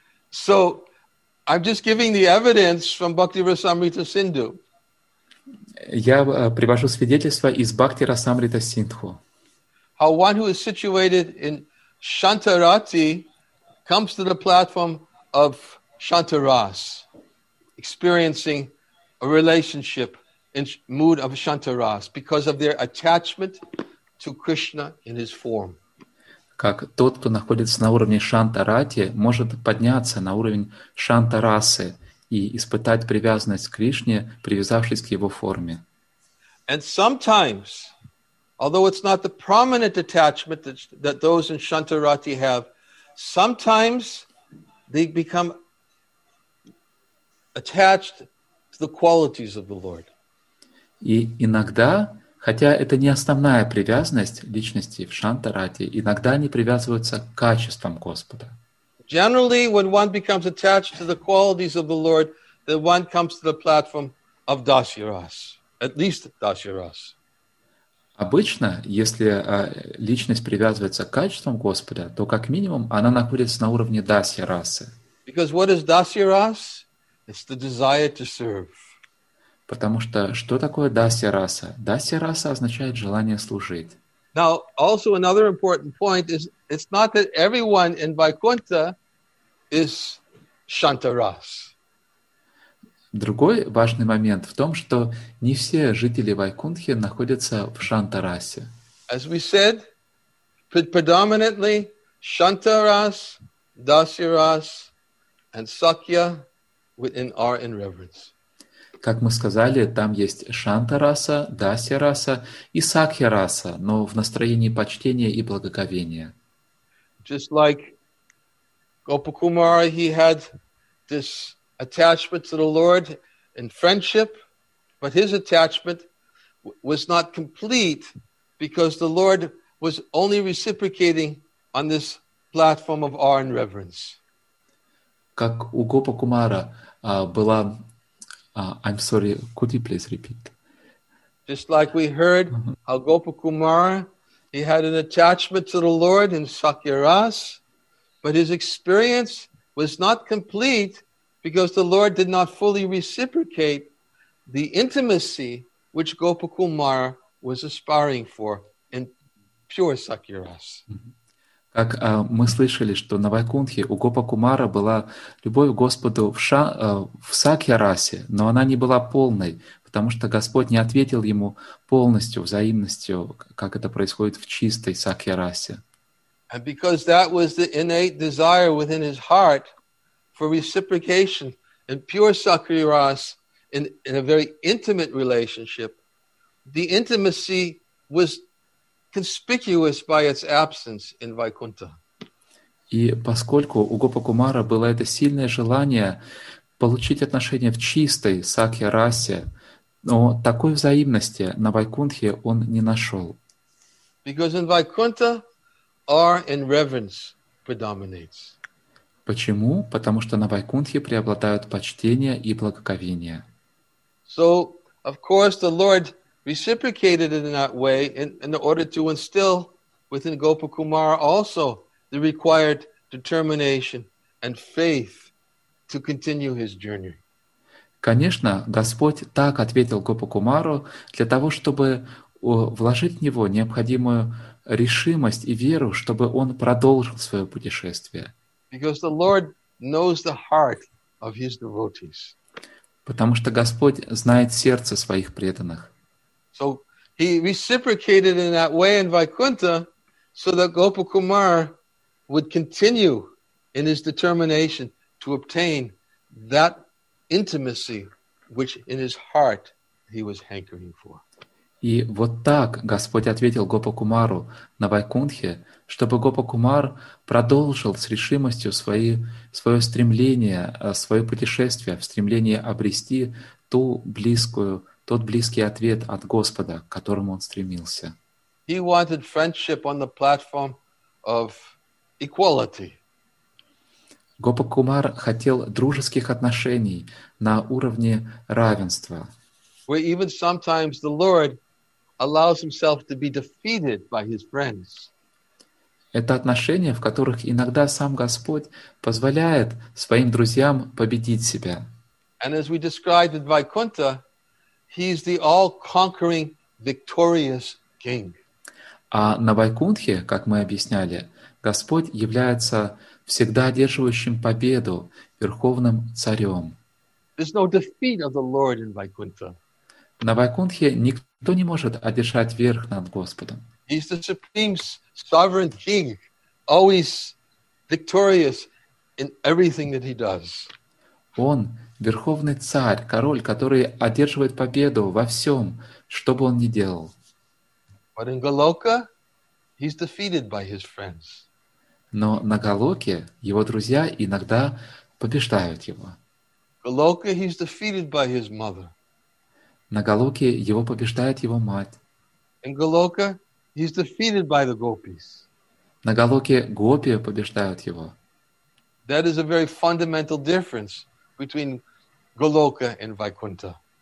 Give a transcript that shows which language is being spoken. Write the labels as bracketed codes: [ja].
[en] So, I'm just giving the evidence from Bhakti-rasamrita Sindhu. [ru] Я привожу свидетельство из Бхакти-расамрита Синдху. [en] How one who is situated in Shantarati comes to the platform of Shantaras, experiencing a relationship in mood of Shantaras because of their attachment to Krishna in his form. [ru] Как тот, кто находится на уровне Шантарати, может подняться на уровень Шантарасы и испытать привязанность к Кришне, привязавшись к его форме. [en] And sometimes, although it's not the prominent attachment that those in Shantarati have, sometimes they become attached to the qualities of the Lord. [ru] И иногда, хотя это не основная привязанность личности в Шантарате, иногда они привязываются к качествам Господа. [en] Generally, when one becomes attached to the qualities of the Lord, then one comes to the platform of Dasyaras, at least Dasyaras. [ru] Обычно, если личность привязывается к качествам Господа, то как минимум она находится на уровне Дасьярасы. [en] Because what is Dasyaras? It's the desire to serve. [ru] Потому что что такое Дасья Раса? Дасья Раса означает желание служить. [en] Now, also another important point is it's not that everyone in Vaikuntha is Shantaras. [ru] Другой важный момент в том, что не все жители Вайкунтхи находятся в Шантарасе. [en] As we said, predominantly Shantaras, Дасья Рас, and Сакья are in reverence. [ru] Как мы сказали, там есть Шантараса, Дасьяраса и Сакхьяраса, но в настроении почтения и благоговения. [en] Just like Gopakumara, he had this attachment to the Lord in friendship, but his attachment was not complete because the Lord was only reciprocating on this platform of awe and reverence. [ru] Как у Гопакумара была [en] I'm sorry, could you please repeat? Just like we heard how Gopakumara, he had an attachment to the Lord in Sakyaras, but his experience was not complete because the Lord did not fully reciprocate the intimacy which Gopakumara was aspiring for in pure Sakyaras. [ru] Как мы слышали, что на Вайкунтхе у Гопакумара была любовь к Господу в Сакьярасе, но она не была полной, потому что Господь не ответил ему полностью, взаимностью, как это происходит в чистой Сакьярасе. [en] And because that was the innate desire within his heart for reciprocation in pure Sakyaras in a very intimate relationship, the intimacy was conspicuous by its absence in Vaikuntha. [ru] И поскольку у Гопакумара было это сильное желание получить отношения в чистой Сакья-расе, но такой взаимности на Вайкунтхе он не нашел. [en] Because in Vaikuntha, awe and reverence predominates. [ru] Почему? Потому что на Вайкунтхе преобладают почтение и благоговение. [en] So, of course, the Lord reciprocated it in that way in order to instill within Gopakumara also the required determination and faith to continue his journey. [ru] Конечно, Господь так ответил Гопакумару для того, чтобы вложить в него необходимую решимость и веру, чтобы он продолжил свое путешествие. [en] Because the Lord knows the heart of his devotees. [ru] Потому что Господь знает сердце своих преданных. [en] So he reciprocated in that way in Vaikuntha so that Gopakumar would continue in his determination to obtain that intimacy which in his heart he was hankering for. [ru] И вот так Господь ответил Гопакумару на Вайкунтхе, чтобы Гопакумар продолжил с решимостью свое стремление, свое путешествие, стремление обрести тот близкий ответ от Господа, к которому он стремился. [en] He wanted friendship on the platform of equality. [ru] Гопакумар хотел дружеских отношений на уровне равенства. [en] Where even sometimes the Lord allows himself to be defeated by his friends. [ru] Это отношения, в которых иногда сам Господь позволяет своим друзьям победить себя. [en] And as we described in Vaikuntha, he's the all-conquering, victorious king. [ru] А на Вайкунтхе, как мы объясняли, Господь является всегда одерживающим победу верховным царем. [en] There's no defeat of the Lord in Vaikuntha. [ru] На Вайкунтхе никто не может одержать верх над Господом. [en] He's the supreme sovereign king, always victorious in everything that he does. [ru] Он — верховный царь, король, который одерживает победу во всем, что бы он ни делал. [en] But in Goloka, he's defeated by his friends. [ru] Но на Голоке его друзья иногда побеждают его. [en] Goloka, he's defeated by his mother. [ru] На Голоке его побеждает его мать. [en] In Goloka, he's defeated by the gopis. [ru] На Голоке гопи побеждают его. [en] That is a very fundamental difference between Goloka and Vaikuntha.